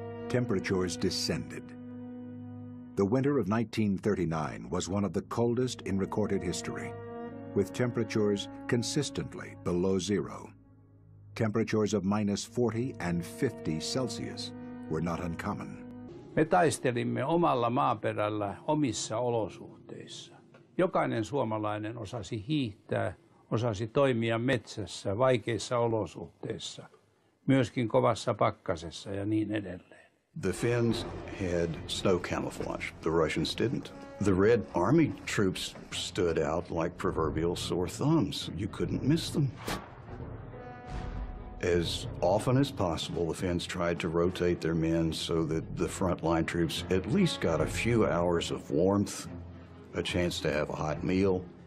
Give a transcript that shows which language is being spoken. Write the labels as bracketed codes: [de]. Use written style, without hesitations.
[en] Temperatures descended. The winter of 1939 was one of the coldest in recorded history, with temperatures consistently below zero. Temperatures of minus 40 and 50 Celsius were not uncommon. [fi] Me taistelimme omalla maaperällä omissa olosuhteissa. Jokainen suomalainen osasi hiihtää, osasi toimia metsässä vaikeissa olosuhteissa, myöskin kovassa pakkasessa ja niin edelleen. [en] The Finns had snow camouflage. The Russians didn't. The Red Army troops stood out like proverbial sore thumbs. You couldn't miss them. As often as possible, the Finns tried to rotate their men so that the frontline troops at least got a few hours of warmth, a chance to have a hot meal.